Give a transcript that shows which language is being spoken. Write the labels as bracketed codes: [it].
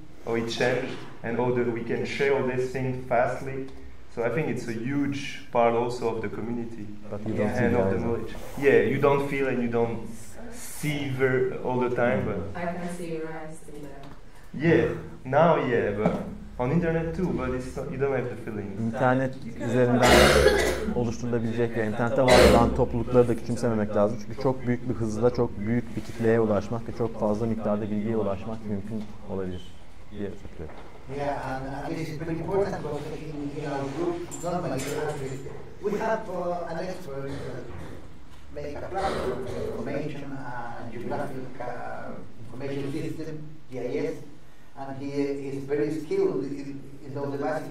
[en] How it changed, and how that we can share all these things fastly. So I think it's a huge part also of the community and of the knowledge. Yeah, you don't feel and you don't see all the time, but I can see your eyes. Yeah, now yeah, but on internet too. But it's not, you don't have the feeling. [tr] İnternet üzerinden oluşturulabilecek ve internette var olan toplulukları da küçümsememek lazım. Çünkü çok büyük bir hızla çok büyük bir kitleye ulaşmak ve çok fazla miktarda bilgiye ulaşmak mümkün olabilir. [en] Yeah, exactly. Yeah, and it is very important because in our group, we have an expert make a platform of information and geographic information system, GIS, and he is very skilled in those devices.